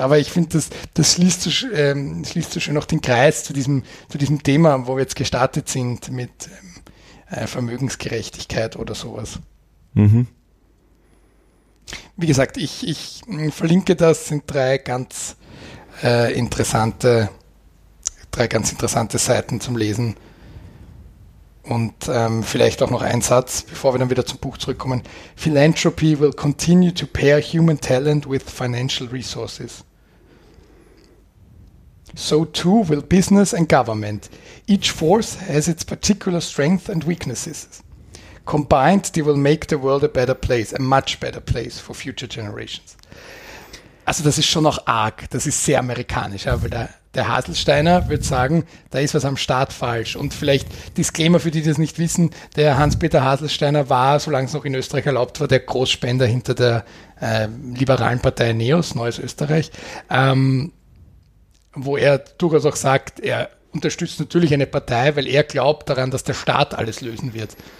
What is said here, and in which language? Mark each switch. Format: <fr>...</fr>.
<de>Aber ich finde, das schließt so schön auch den Kreis zu diesem Thema, wo wir jetzt gestartet sind mit Vermögensgerechtigkeit oder sowas. Mhm. Wie gesagt, ich verlinke das, sind 3 ganz interessante, 3 ganz interessante Seiten zum Lesen. Und vielleicht auch noch ein Satz, bevor wir dann wieder zum Buch zurückkommen.</de> <en>Philanthropy will continue to pair human talent with financial resources. So too will business and government. Each force has its particular strength and weaknesses. Combined, they will make the world a better place, a much better place for future generations.</en> <de>Also das ist schon noch arg, das ist sehr amerikanisch, ja, weil der Haselsteiner würde sagen, da ist was am Staat falsch. Und vielleicht Disclaimer für die, die das nicht wissen, der Hans-Peter Haselsteiner war, solange es noch in Österreich erlaubt war, der Großspender hinter der liberalen Partei NEOS, Neues Österreich, wo er durchaus auch sagt, er unterstützt natürlich eine Partei, weil er glaubt daran, dass der Staat alles lösen wird.</de>